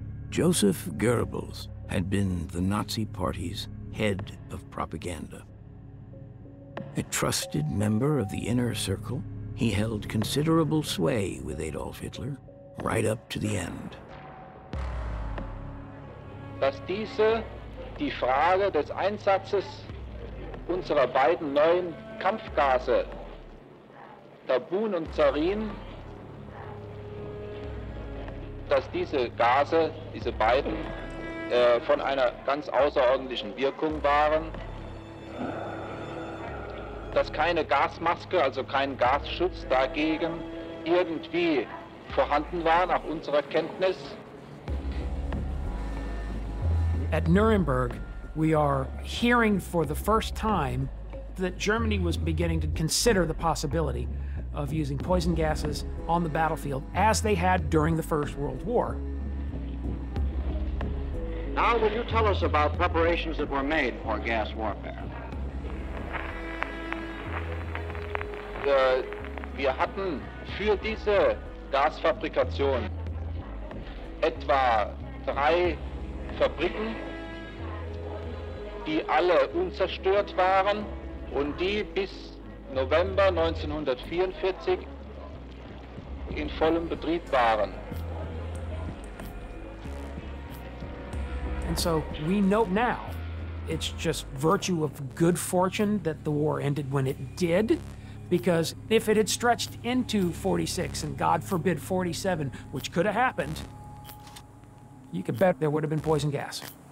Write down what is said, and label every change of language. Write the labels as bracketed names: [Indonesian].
[English] Joseph Goebbels had been the Nazi Party's head of propaganda. A trusted member of the inner circle, he held considerable sway with Adolf Hitler right up to the end. [German] Dass diese die Frage des Einsatzes unserer beiden neuen Kampfgase, Tabun und Zarin, dass diese Gase, diese beiden, von einer ganz außerordentlichen Wirkung waren, dass keine Gasmaske, also kein Gasschutz dagegen irgendwie vorhanden war, nach unserer Kenntnis. [English] At Nuremberg, we are hearing for the first time that Germany was beginning to consider the possibility of using poison gases on the battlefield as they had during the First World War. Now, will you tell us about preparations that were made for gas warfare? [German] Wir hatten für diese Gasfabrikation etwa drei Fabriken, die alle unzerstört waren und die bis November 1944 in vollem Betrieb waren. [English] And so we know now, it's just virtue of good fortune that the war ended when it did, because if it had stretched into 46 and God forbid 47, which could have happened, you could bet there would have been poison gas.